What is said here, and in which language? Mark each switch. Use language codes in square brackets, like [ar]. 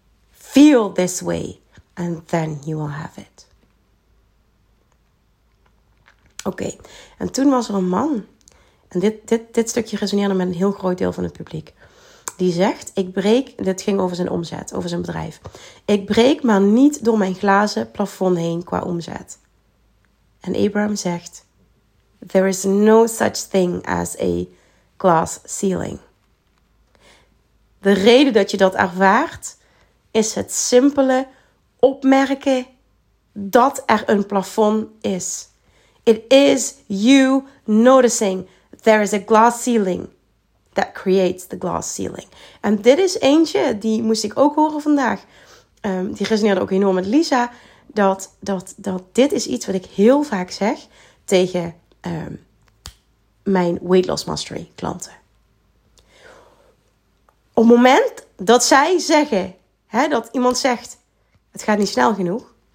[en] Feel this way and then you will have it. [nl] Oké, en toen was er een man. En dit stukje resoneerde met een heel groot deel van het publiek. Die zegt, dit ging over zijn omzet, over zijn bedrijf. Ik breek maar niet door mijn glazen plafond heen qua omzet. En Abraham zegt, [en] there is no such thing as a glass ceiling. [nl] De reden dat je dat ervaart, is het simpele opmerken dat er een plafond is. [en] It is you noticing there is a glass ceiling that creates the glass ceiling. [nl] En dit is eentje, die moest ik ook horen vandaag. Die resoneerde ook enorm met Lisa. Dat dit is iets wat ik heel vaak zeg tegen mijn Weight Loss Mastery klanten. Op het moment dat zij zeggen, hè, dat iemand zegt, het gaat niet snel genoeg.